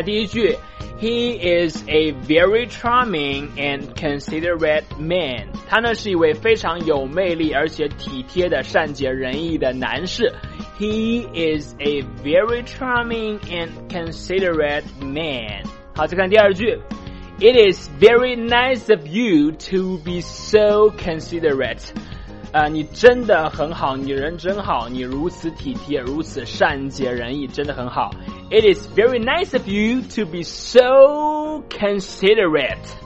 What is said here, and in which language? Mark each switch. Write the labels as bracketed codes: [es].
[zh] 第一句， [en] He is a very charming and considerate man. [zh] 他呢是一位非常有魅力而且体贴的善解人意的男士。 [en] He is a very charming and considerate man. [zh] 好，再看第二句。 [en] It is very nice of you to be so considerate. [zh] 你真的很好，你人真好，你如此体贴，如此善解人意，真的很好。 [en] It is very nice of you to be so considerate.